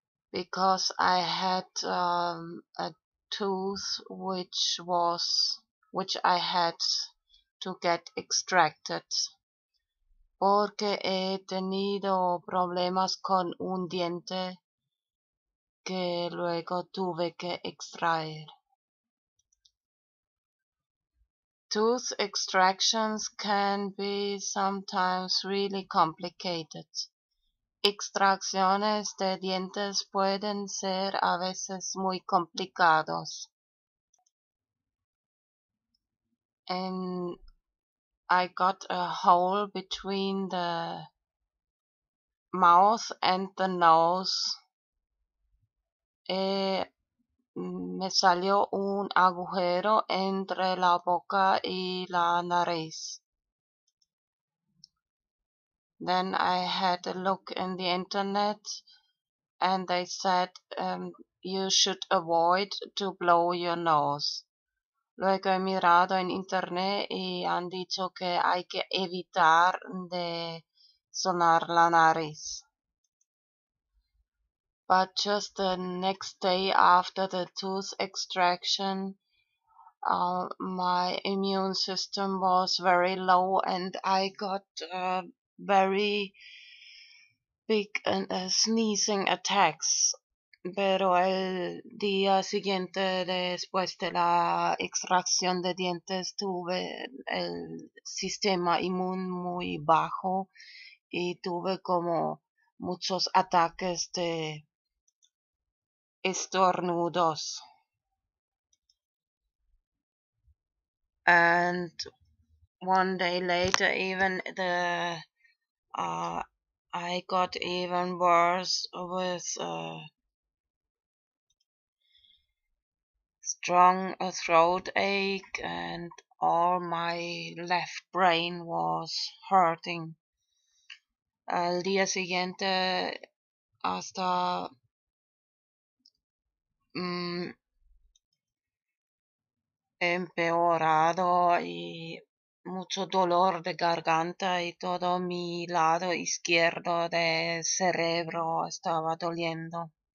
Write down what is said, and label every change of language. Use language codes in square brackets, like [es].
[en] Because I had a tooth which I had to get extracted. [es] Porque he tenido problemas con un diente que luego tuve que extraer. [en] Tooth extractions can be sometimes really complicated. [es] Extracciones de dientes pueden ser a veces muy complicados. [en] And I got a hole between the mouth and the nose. [es] Me salió un agujero entre la boca y la nariz. [en] Then I had a look in the internet and they said, you should avoid to blow your nose. [es] Luego he mirado en internet y han dicho que hay que evitar de sonar la nariz. [en] But just the next day after the tooth extraction, my immune system was very low and I got very big sneezing attacks. [es] Pero el día siguiente después de la extracción de dientes tuve el sistema inmune muy bajo y tuve como muchos ataques de estornudos. [en] And one day later, even the I got even worse with strong throat ache, and all my left brain was hurting. [es] El día siguiente hasta empeorado y mucho dolor de garganta y todo mi lado izquierdo de cerebro estaba doliendo.